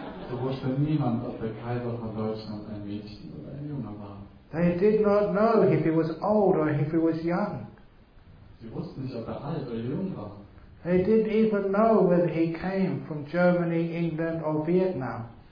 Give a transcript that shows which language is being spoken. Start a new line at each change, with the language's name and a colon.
German: So wusste niemand, ob der Kaiser von Deutschland ein Mädchen oder ein Junge war.
English: They did not know if he was old or if he was young.
German: Sie wussten nicht, ob alt oder jung war.
English: They didn't even know whether he came from Germany, England or Vietnam.